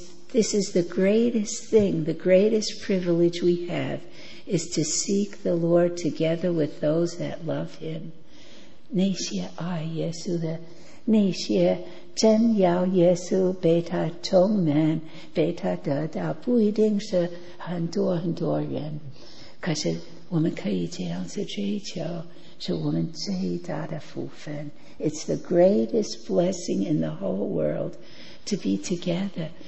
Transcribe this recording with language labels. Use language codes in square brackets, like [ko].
[en] This is the greatest thing, the greatest privilege we have is to seek the Lord together with those that love Him. [zh] 那些爱耶稣的，那些真要耶稣被他充满，被他得到，不一定是很多很多人，可是我们可以这样子追求，是我们最大的福分。 [en] It's the greatest blessing in the whole world to be together.